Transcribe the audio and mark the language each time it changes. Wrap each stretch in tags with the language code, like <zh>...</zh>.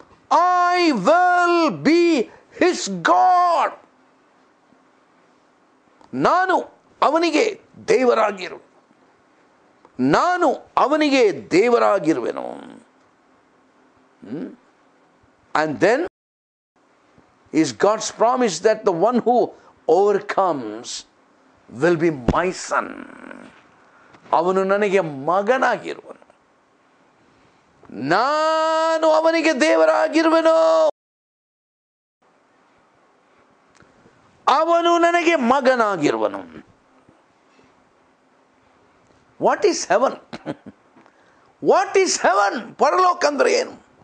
<en>I will be His God.</en> <kn>ನಾನು ಅವನಿಗೆ ದೇವರಾಗಿರು, ನಾನು ಅವನಿಗೆ ದೇವರಾಗಿರುವೆನು.</kn> <en>And then is God's promise that the one who overcomes will be my son.</en> <kn>ಅವನು ನನಗೆ ಮಗನಾಗಿರುವನು. ನಾನು ಅವನಿಗೆ ದೇವರಾಗಿರುವೆನು, ಅವನು ನನಗೆ ಮಗನಾಗಿರುವನು.</kn> <en>What is heaven? What is heaven?</en> <kn>ಪರಲೋಕ ಅಂದ್ರೆ ಏನು?</kn>